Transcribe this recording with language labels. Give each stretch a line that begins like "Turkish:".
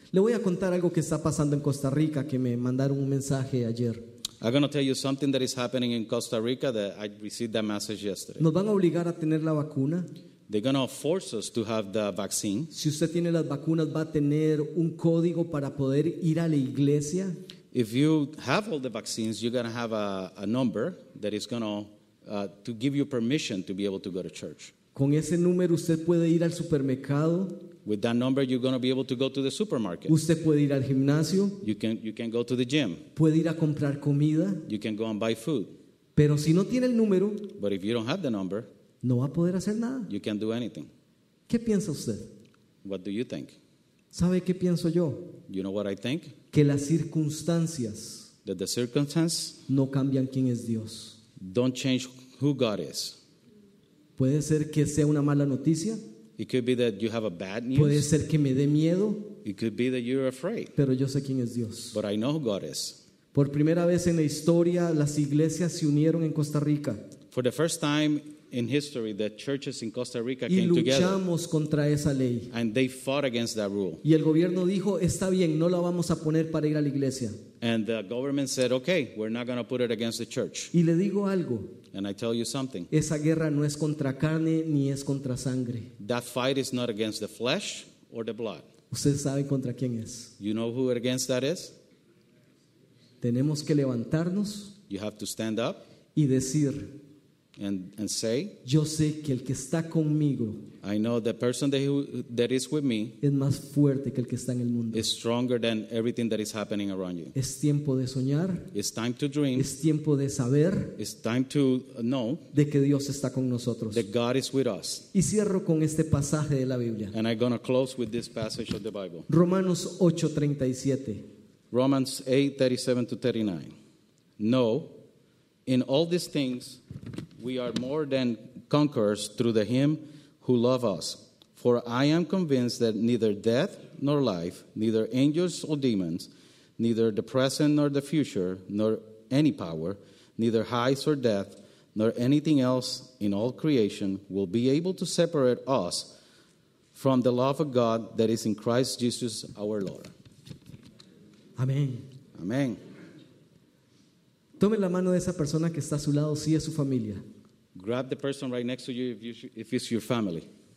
Spanish: Le voy a contar algo que está pasando en Costa Rica que me mandaron un mensaje ayer.
English: I'm going to tell you something that is happening in Costa Rica that I received that message yesterday.
Spanish: ¿Nos van a obligar a tener la vacuna?
English: They're going to force us to have the vaccine.
Spanish: Si usted tiene las vacunas, va a tener un código para poder ir a la iglesia.
English: If you have all the vaccines, you're going to have a number that is going to give you permission to be able to go to church.
Spanish: Con ese número usted puede ir al supermercado.
English: With that number, you're going to be able to go to the supermarket.
Spanish: Usted puede ir al gimnasio.
English: You can go to the gym.
Spanish: Puede ir a comprar comida.
English: You can go and buy food.
Spanish: Pero si no tiene el número,
English: but if you don't have the number,
Spanish: no va a poder hacer nada.
English: You can't do anything.
Spanish: ¿Qué piensa usted?
English: What do you think?
Spanish: ¿Sabe qué pienso yo?
English: You know what I think?
Spanish: Que las circunstancias,
English: that the circumstances,
Spanish: no cambian quién es Dios.
English: Don't change who God is.
Spanish: Puede ser que sea una mala noticia.
English: It could be that you have a bad news.
Spanish: Puede ser que me dé miedo.
English: It could be that you're afraid.
Spanish: Pero yo sé quién es Dios.
English: But I know who God is.
Spanish: Por primera vez en la historia, las iglesias se unieron en Costa Rica.
English: For the first time in history, the churches in Costa Rica y came together.
Spanish: Y luchamos contra esa ley.
English: And they fought against that rule.
Spanish: Y el gobierno dijo, está bien, no la vamos a poner para ir a la iglesia.
English: And the government said, okay, we're not going to put it against the church.
Spanish: Y le digo algo.
English: And I tell you something.
Spanish: Esa guerra no es contra carne ni es contra sangre.
English: That fight is not against the flesh or the blood.
Spanish: Usted sabe contra quién es.
English: You know who against that is?
Spanish: Tenemos que levantarnos.
English: You have to stand up.
Spanish: Y decir.
English: And say.
Spanish: Yo sé que el que está conmigo.
English: I know the person that is with me.
Spanish: Es más fuerte que el que está en el mundo.
English: Is stronger than everything that is happening around you.
Spanish: Es tiempo de soñar.
English: It's time to dream.
Spanish: Es tiempo de saber.
English: It's time to know.
Spanish: De que Dios está con nosotros.
English: That God is with us.
Spanish: Y cierro con este pasaje de la Biblia.
English: And I'm going to close with this passage of the Bible.
Spanish: Romanos 8:37.
English: Romans 8:37-39. No, in all these things we are more than conquerors through the Him who loved us. For I am convinced that neither death nor life, neither angels or demons, neither the present nor the future, nor any power, neither height nor depth, nor anything else in all creation will be able to separate us from the love of God that is in Christ Jesus our Lord.
Spanish: Amén.
English: Amén.
Spanish: Tome la mano de esa persona que está a su lado, si es su familia.
English: Grab the person right next to you if it's your family.